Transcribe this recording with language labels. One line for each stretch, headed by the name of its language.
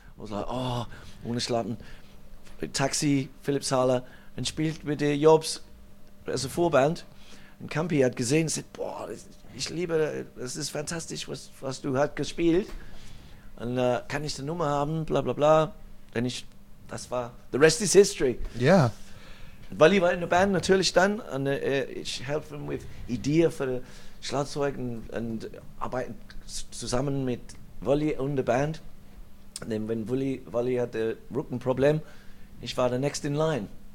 English: I was like, oh,
German: ohne Schlafen.
English: Taxi, Philips Halle.
German: Und spielt mit der Jobs, also Vorband. Und Campi hat gesehen, sagt, boah, ich liebe, das ist fantastisch, was du hast gespielt. Und kann ich die Nummer haben, bla bla bla. Denn ich, das war,
English: the rest is history.
German: Ja.
English: Yeah.
German: Weil ich war in der Band natürlich dann. Und ich helfe ihm mit Ideen für Schlagzeug und arbeite zusammen mit Wally und der Band. Und dann, wenn Wally hatte Rückenproblem, ich war der Next in Line.